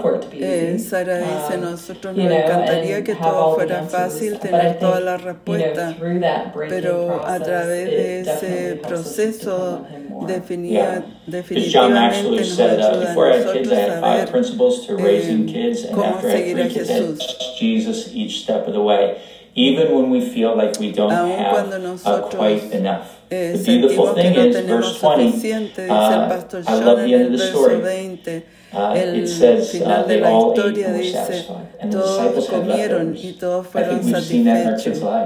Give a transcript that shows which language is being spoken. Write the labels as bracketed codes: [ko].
[es] dice, nosotros nos encantaría que todo fuera fácil, tener todas las respuestas, pero a través de ese proceso definitivamente nos ayuda a nosotros a saber cómo seguir a Jesús. [en] Even when we feel like we don't have quite enough. The beautiful thing is, verse 20, I love the end of the story. [es] El final de la historia dice, todos comieron y todos fueron satisfechos.